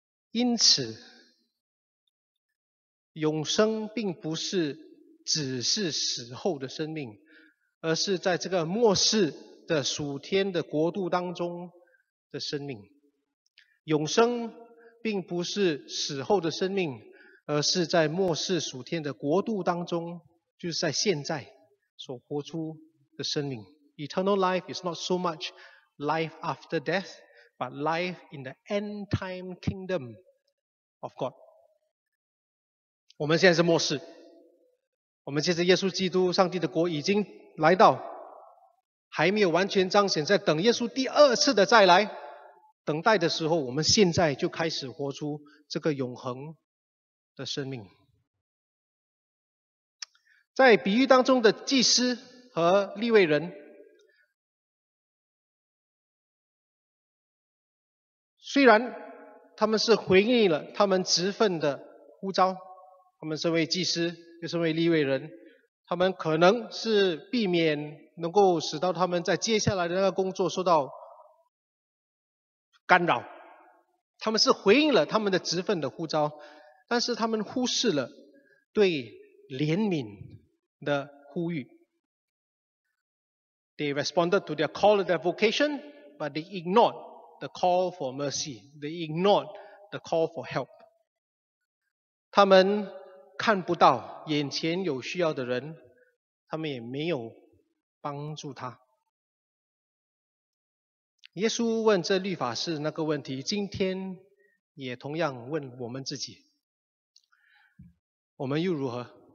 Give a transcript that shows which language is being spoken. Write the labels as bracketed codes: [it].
[zh] 因此永生并不是只是死后的生命，而是在这个末世的属天的国度当中的生命。永生并不是死后的生命，而是在末世属天的国度当中，就是在现在所活出的生命。 [en] Eternal life is not so much life after death, but life in the end time kingdom of God. [zh] 我们现在是末世，我们借着耶稣基督，上帝的国已经来到，还没有完全彰显，在等耶稣第二次的再来。等待的时候，我们现在就开始活出这个永恒的生命。在比喻当中的祭司和利未人，虽然他们是回应了他们职分的呼召，他们身为祭司又身为利未人，他们可能是避免能够使到他们在接下来的那个工作受到干扰，他们是回应了他们的职分的呼召，但是他们忽视了对怜悯的呼吁。 [en] They responded to their call of their vocation, but they ignored the call for mercy, they ignored the call for help. [zh] 他们看不到眼前有需要的人，他们也没有帮助他。耶稣问这律法师那个问题，今天也同样问我们自己，我们又如何？